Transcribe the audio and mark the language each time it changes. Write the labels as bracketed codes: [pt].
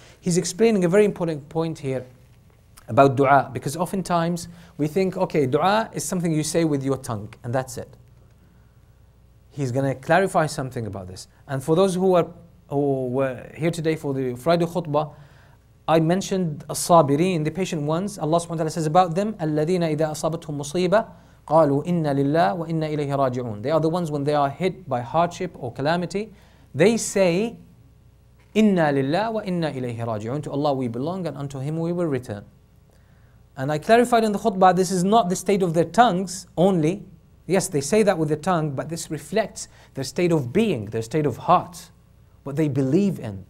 [en] He's explaining a very important point here about dua, because oftentimes we think, okay, dua is something you say with your tongue and that's it. He's going to clarify something about this. And for those who were here today for the Friday khutbah, I mentioned as-sabirin, the patient ones. Allah subhanahu wa ta'ala says about them, [ar] الَّذِينَ إِذَا أَصَابَتْهُمْ مُصِيبَةٌ قَالُوا إِنَّ لِلَّهِ وَإِنَّ إِلَيْهِ رَاجِعُونَ. [en] They are the ones when they are hit by hardship or calamity, they say, [ar] إِنَّ لِلَّهِ وَإِنَّ إِلَيْهِ رَاجِعُونَ. [en] To Allah we belong and unto Him we will return. And I clarified in the khutbah, this is not the state of their tongues only. Yes, they say that with the tongue, but this reflects their state of being, their state of heart, what they believe in.